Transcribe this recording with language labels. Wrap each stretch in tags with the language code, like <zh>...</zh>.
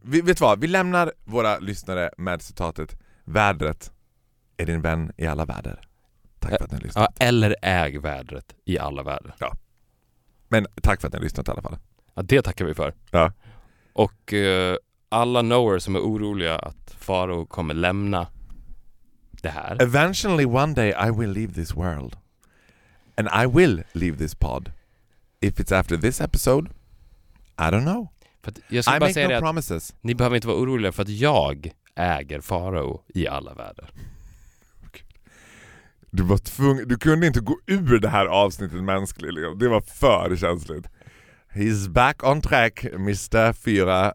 <sv>Vet du vad? Vi lämnar våra lyssnare med citatet. Värdet är din vän i alla väder. Tack för att ni har lyssnat. Ja, eller äg värdet i alla väder. Ja. Men tack för att ni har lyssnat i alla fall. Ja, det tackar vi för. Ja. Och alla knowers som är oroliga att Faro kommer lämna det här.</sv> <en>Eventually one day I will leave this world. And I will leave this pod. If it's after this episode, I don't know.</en> <sv>För att jag ska bara säga</sv> <en>no promises.</en> <sv>Att ni behöver inte vara oroliga för att jag äger Faro i alla världar. Du var tvungen, du kunde inte gå ur det här avsnittet mänskligt. Liksom. Det var för känsligt.</sv> <en>He's back on track,</en> <sv>Mr. Fyra.</sv>